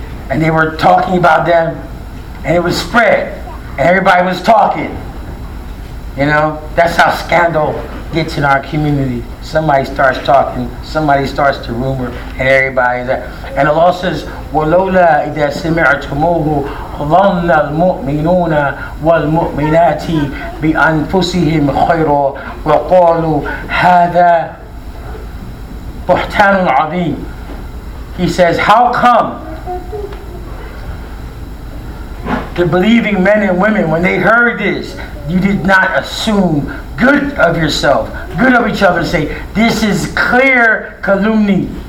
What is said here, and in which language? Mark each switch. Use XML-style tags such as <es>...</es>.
<en>And they were talking about them, and it was spread, and everybody was talking. You know, that's how scandal gets in our community. Somebody starts talking, somebody starts to rumor, and everybody's there. And Allah says,</en> <ar>وَلَوْلَا إِذَا سِمِعْتُمُوهُ ظَنَّ الْمُؤْمِنُونَ وَالْمُؤْمِنَاتِ بِأَنفُسِهِمْ خَيْرًا وَقَالُوا هَذَا بُحْتَانٌ عَظِيمٌ.</ar> <en>He says, how come the believing men and women, when they heard this, you did not assume good of yourself, good of each other, and say, this is clear calumny.</en>